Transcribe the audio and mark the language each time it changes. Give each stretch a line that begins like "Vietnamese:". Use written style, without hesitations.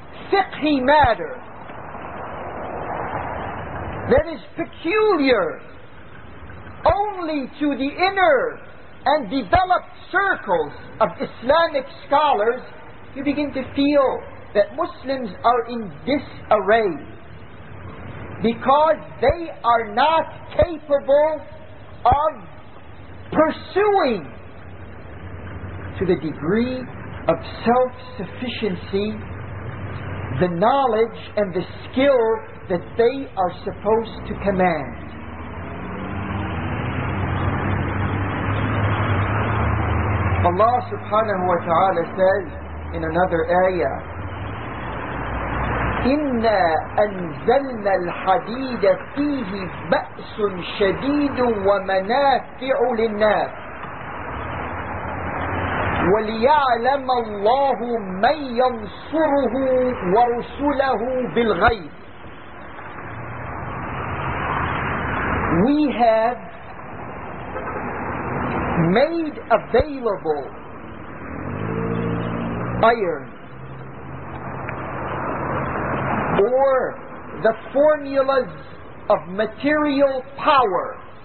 English: fiqhi matter that is peculiar only to the inner and developed circles of Islamic scholars, you begin to feel that Muslims are in disarray because they are not capable of pursuing to the degree of self-sufficiency the knowledge and the skill that they are supposed to command.
Arabic: Allah subhanahu wa ta'ala says in another ayah, إِنَّا أَنزَلْنَا الْحَدِيدَ فِيهِ بَأْسٌ شَدِيدٌ وَمَنَافِعُ لِلنَّاسِ وَلِيَعْلَمَ اللَّهُ مَنْ يَنْصُرُهُ وَرُسُلَهُ بِالْغَيْبِ.
English: We have made available iron or the formulas of material power.